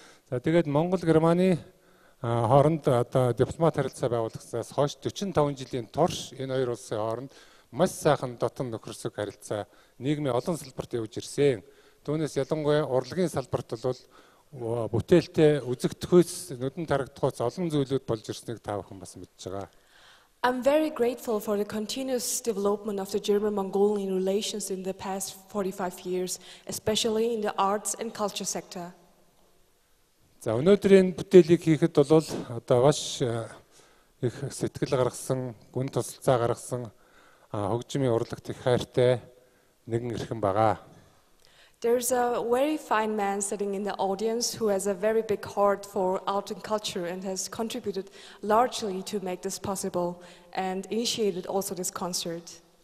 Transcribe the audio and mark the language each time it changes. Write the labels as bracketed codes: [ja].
[mn] За тэгээд Монгол-Германы хооронд одоо дипломат харилцаа байгуулагдсанаас хойш 45 жилийн турш энэ хоёр улсын хооронд маш сайхан дотн нөхөрсөг харилцаа нийгмийн олон салбарт явж ирсэн. Түүнээс ялангуяа урлагийн салбарт бол бүтээлтэй үзэгдэхүйс нүдэн тарагдахуйц олон зүйлүүд болж ирснийг та бүхэн бас мэдж байгаа. [en] I'm very grateful for the continuous development of the German-Mongolian relations in the past 45 years, especially in the arts and culture sector. [mn] За өнөөдрийн бүтээлийг хийхэд бол одоо маш их сэтгэл гаргасан, гүн тусалцаа гаргасан хөгжмийн урлагт их хайртай нэгэн эрхэм байгаа. [en] There's a very fine man sitting in the audience who has a very big heart for art and culture and has contributed largely to make this possible and initiated also this concert.